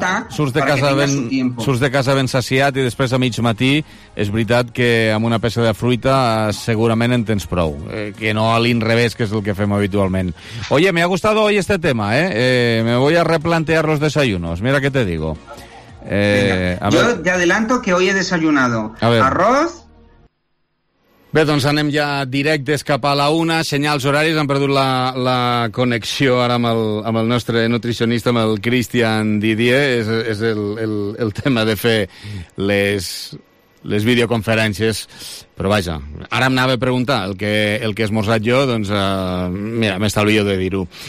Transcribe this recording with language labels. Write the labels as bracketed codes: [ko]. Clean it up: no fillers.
[ca] Surts de casa ben saciat i després a mig matí, és veritat que amb una peça de fruita segurament en tens prou, que no a l'inrevés, que és el que fem habitualment. [es] Oye, me ha gustado hoy este tema, me voy a replantear los desayunos, mira qué te digo. Te adelanto que hoy he desayunado arroz. [ca] Bé, doncs anem ja directes cap a la una. Senyals horaris, han perdut la connexió ara amb el nostre nutricionista, amb el Christian Didier. És el tema de fer les, les videoconferències. Però vaja, ara em anava a preguntar el que he esmorzat jo, doncs mira, m'estalvio de dir-ho.